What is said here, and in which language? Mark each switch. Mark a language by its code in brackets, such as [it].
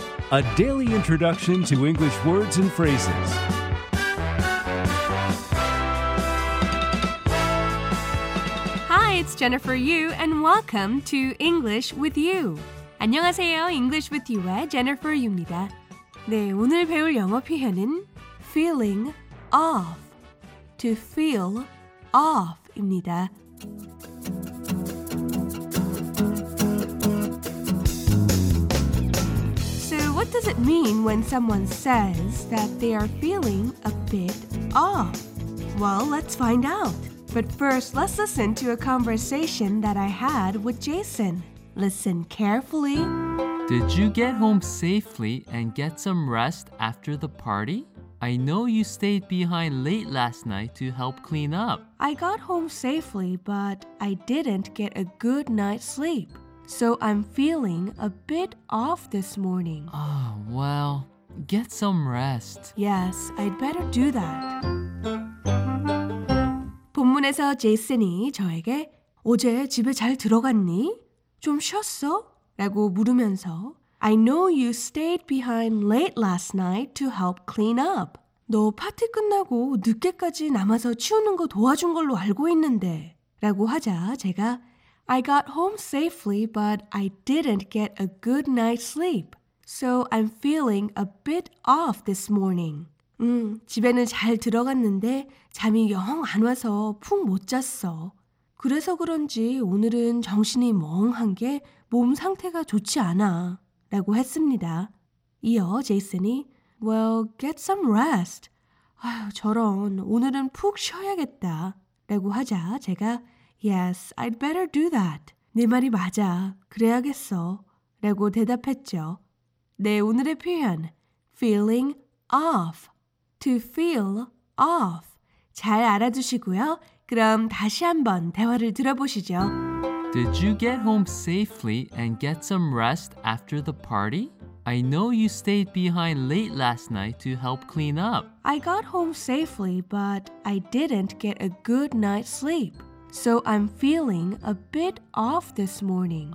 [en] A daily introduction to English words and phrases. Hi, it's Jennifer Yu, and welcome to English with You. [ko] 안녕하세요, English with You의 Jennifer Yu입니다. 네, 오늘 배울 영어 표현은 [en] feeling off, to feel off [ko] 입니다. [en] Mean when someone says that they are feeling a bit off? Well, let's find out. But first, let's listen to a conversation that I had with Jason. Listen carefully. Did you get home safely and get some rest after the party? I know you stayed behind late last night to help clean up. I got home safely, but I didn't get a good night's sleep. So I'm feeling a bit off this morning. Oh, well, get some rest. Yes, I'd better do that. [ko] 본문에서 제이슨이 저에게 어제 집에 잘 들어갔니? 좀 쉬었어? 라고 물으면서 [en] I know you stayed behind late last night to help clean up. [ko] 너 파티 끝나고 늦게까지 남아서 치우는 거 도와준 걸로 알고 있는데 라고 하자 제가 [en] I got home safely, but I didn't get a good night's sleep. So I'm feeling a bit off this morning. [ko] 집에는 잘 들어갔는데 잠이 영 안 와서 푹 못 잤어. 그래서 그런지 오늘은 정신이 멍한 게 몸 상태가 좋지 않아. 라고 했습니다. 이어 제이슨이 [en] Well, get some rest. [ko] 아휴, 저런, 오늘은 푹 쉬어야겠다. 라고 하자 제가 [en] Yes, I'd better do that. [ko] 네 말이 맞아. 그래야겠어. 라고 대답했죠. 네, 오늘의 표현. [en] Feeling off. To feel off. [ko] 잘 알아두시고요. 그럼 다시 한번 대화를 들어보시죠. [en] Did you get home safely and get some rest after the party? I know you stayed behind late last night to help clean up. I got home safely, but I didn't get a good night's sleep. So I'm feeling a bit off this morning.